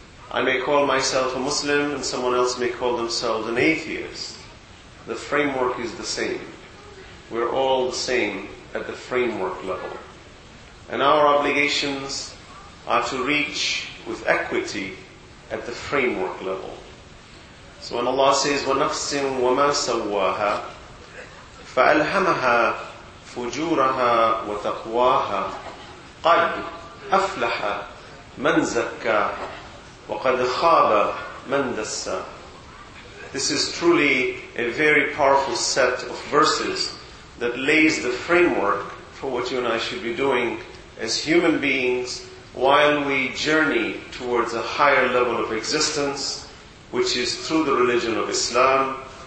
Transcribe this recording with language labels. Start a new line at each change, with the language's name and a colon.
English: I may call myself a Muslim and someone else may call themselves an atheist. The framework is the same. We're all the same at the framework level. And our obligations are to reach with equity at the framework level. So when Allah says,
Arabic: وَنَفْسٍ وَمَا سَوَّاهَا فَأَلْهَمَهَا فُجُورَهَا وَتَقْوَاهَا قَدْ أَفْلَحَ مَنْ زَكَّاهَا وَقَدْ خَابَ مَنْ دَسَّ.
English: This is truly a very powerful set of verses that lays the framework for what you and I should be doing as human beings while we journey towards a higher level of existence, which is through the religion of Islam,